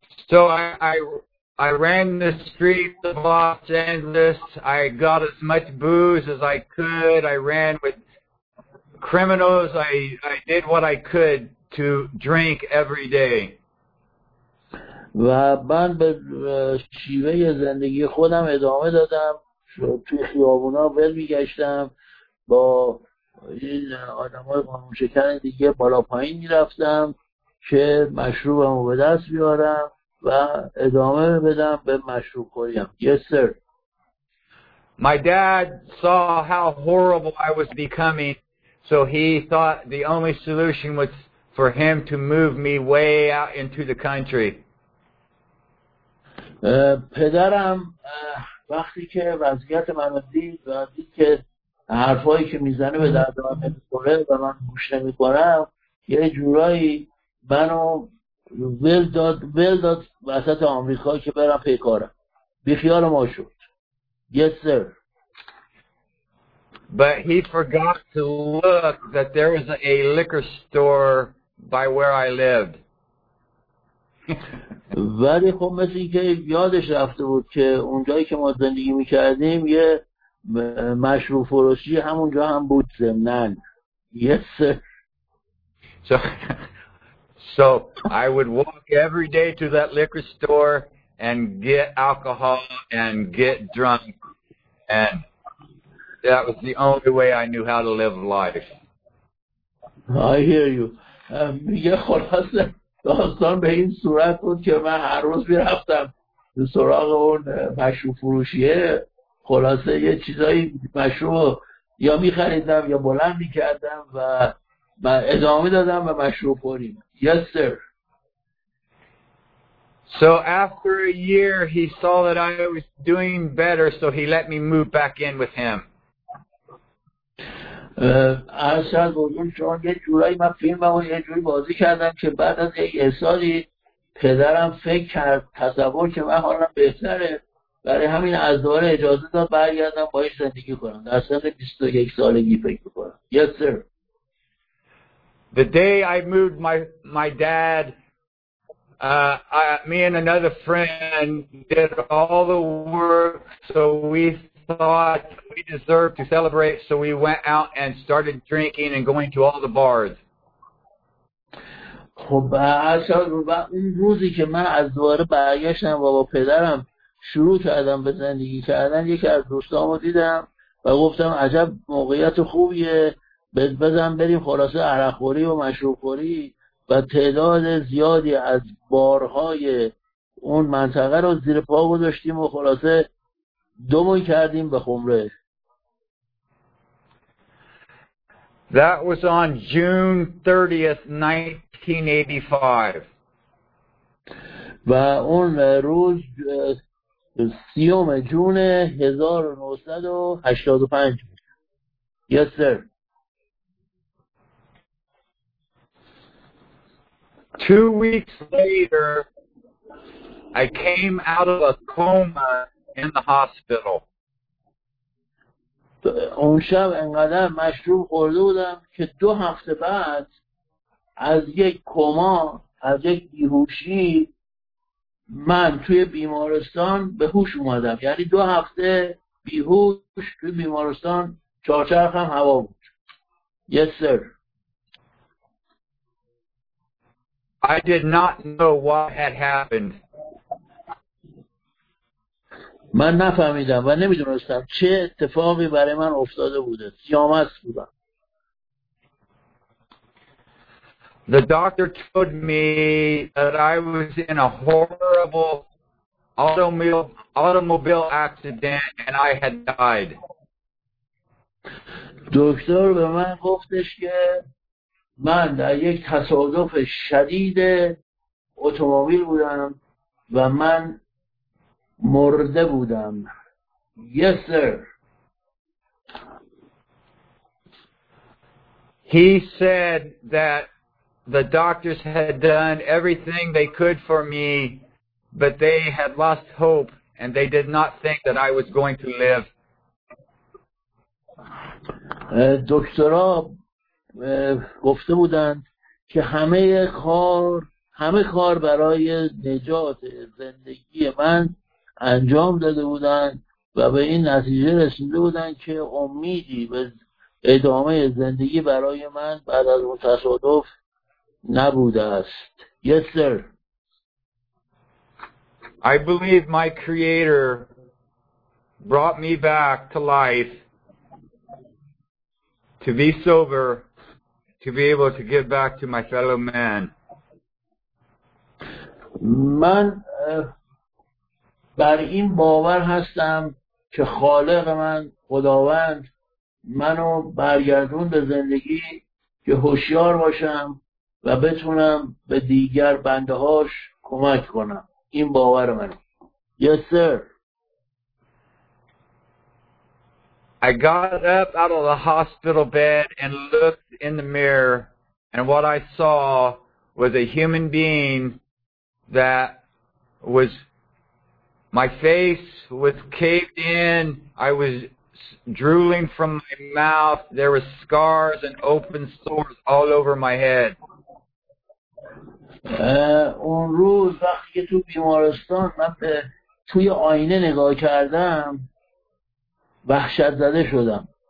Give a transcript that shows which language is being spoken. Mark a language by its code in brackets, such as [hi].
[en] So I ran the streets of Los Angeles. I got as much booze as I could. I ran with criminals, I did what I could to drink every day. [fa] و من به شیوه زندگی خودم ادامه دادم، توی خیابونا ول میگشتم، با این آدمای قانون شکن دیگه بالا پایین میرفتم که مشروبمو به دست بیارم و ادامه بدم به مشروب خوریم. [en] Yes sir. My dad saw how horrible I was becoming, so he thought the only solution was for him to move me way out into the country. [fa] پدرم وقتی که وضعیت منو دید و دید که حرفایی که میزنه به درد من نمیخوره و من گوش نمیکنم، یه جورایی منو ول داد وسط آمریکا که برم پیکارم. بی خیال ما شد. [en] Yes sir. But he forgot to look that there was a liquor store by where I lived. [fa] ولی خب مثل این که یادش رفته بود که اونجایی که ما زندگی میکردیم یه مشروب فروشی همونجا هم بود زمنن. [en] Yes sir. So I would walk every day to that liquor store and get alcohol and get drunk, and that was the only way I knew how to live life. I hear you. [fa] میگه خلاصه داستان به این صورت بود که من هر روز میرفتم سراغ اون مشروب فروشیه، خلاصه یه چیزایی مشروب یا میخریدم یا بلند میکردم و ادامه دادم به مشروب خوریم. [en] Yes sir. So after a year he saw that I was doing better, so he let me move back in with him. [fa] اصلا بودون چون یه جورایی من فیلم رو یه جوری بازی کردم که بعد از یه سالی پدرم فکر کرد، تصور که من حالا بهتره، برای همین از دوباره اجازه داد برگردم با این زندگی کنم در سن 21 سالگی فکر کنم. [en] Yes sir. The day I moved my dad, me and another friend did all the work, so we thought we deserved to celebrate, so we went out and started drinking and going to all the bars. [fa] خب اصلا رو اون روزی که من از دوباره برگشتم و با پدرم شروع کردم به زندگی کردن، یکی از دوستامو دیدم و گفتم عجب موقعیت خوبیه، بزن بریم خلاصه عرق‌خوری و مشروب‌خوری، و تعداد زیادی از بارهای اون منطقه رو زیر پا گذاشتیم و خلاصه دومون کردیم به خمره. [en] That was on June 30th, 1985. [fa] و اون روز 30 جون 1985. [en] Yes sir. 2 weeks later, I came out of a coma in the hospital. [fa] اون شب انقدر مشروب خورده بودم که دو هفته بعد از یک کما، از یک بیهوشی، من توی بیمارستان به هوش اومدم. یعنی دو هفته بیهوش توی بیمارستان چهارچرخم هوا بود. [en] Yes, sir. I did not know what had happened. [fa] من نفهمیدم و نمیدونستم چه اتفاقی برای من افتاده بوده. سیامست بودم. [en] The doctor told me that I was in a horrible automobile accident and I had died. [fa] دکتر به من گفتش که من در یک تصادف شدید اتومبیل بودم و من مرده بودم. [en] Yes sir. He said that the doctors had done everything they could for me, but they had lost hope and they did not think that I was going to live. [fa] دکترها گفته بودند که همه کار برای نجات زندگی من انجام داده بودند و به این نتیجه رسیده بودند که امیدی به ادامه زندگی برای من بعد از اون تصادف نبوده است. [en] Yes, sir. I believe my creator brought me back to life to be sober, to be able to give back to my fellow man. [fa] من بر این باور هستم که خالق من خداوند منو برگردون به زندگی که هوشیار باشم و بتونم به دیگر بنده هاش کمک کنم. این باور منه. [en] Yes, sir. I got up out of the hospital bed and looked in the mirror, and what I saw was a human being that was, my face was caved in, I was drooling from my mouth, there were scars and open sores all over my head. [fa] اون روز وقتی که تو بیمارستان من به توی آینه نگاه کردم وحشت زده شدم.